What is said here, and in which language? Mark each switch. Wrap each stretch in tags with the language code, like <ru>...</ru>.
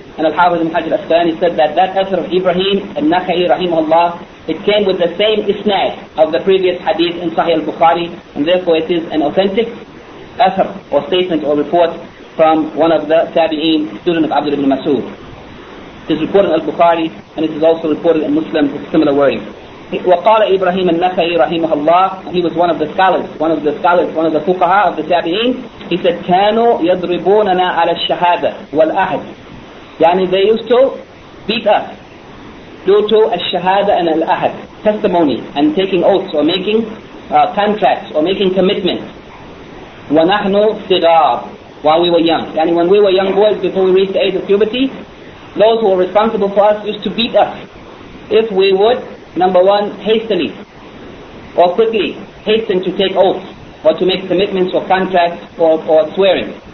<en>And Al-Hafiz ibn Hajar al-Asqalani said that that athar of Ibrahim al-Nakhai rahimahullah, it came with the same isnad of the previous hadith in Sahih al-Bukhari, and therefore it is an authentic athar or statement or report from one of the tabi'een, student of Abdul ibn Mas'ud. It is reported in al-Bukhari, and it is also reported in Muslim with similar wording.</en> <ar>وقال إبراهيم النخعي رحمه الله,</ar> <en>he was one of the scholars, one of the fuqaha of the tabi'een. He said,</en> <ar>كانوا يضربوننا على الشهادة والأحد.</ar> <en>يعني they used to beat us due to الشهادة and الأحد, testimony and taking oaths or making contracts or making commitments.</en> <ar>ونحن صغار,</ar> <en>while we were young. يعني when we were young boys, before we reached the age of puberty, those who were responsible for us used to beat us if we would, number one, hastily or quickly hasten to take oaths or to make commitments or contracts or swearing.</en>